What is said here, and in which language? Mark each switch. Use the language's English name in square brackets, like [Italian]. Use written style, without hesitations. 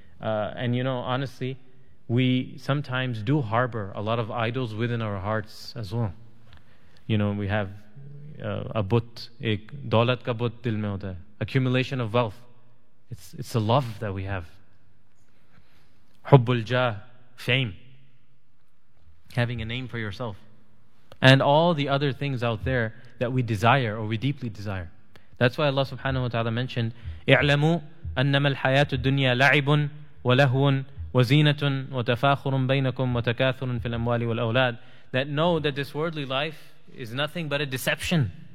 [English] And you know, honestly, we sometimes do harbor a lot of idols within our hearts as well. You know, we have a بت, [Urdu] ایک دولت کا بت دل میں ہوتا, [English] accumulation of wealth. It's a love that we have. Hubbul jah, fame. Having a name for yourself. And all the other things out there that we desire or we deeply desire. That's why Allah subhanahu wa ta'ala mentioned, [Arabic] اِعْلَمُوا أَنَّمَا الْحَيَاةُ الدُّنْيَا لَعِبٌ وَلَهُونَ وَزِينَةٌ وَتَفَاخُرٌ بَيْنَكُمْ وَتَكَاثُرٌ فِي الْأَمْوَالِ وَالْأَوْلَادِ, [English] that know that this worldly life is nothing but a deception.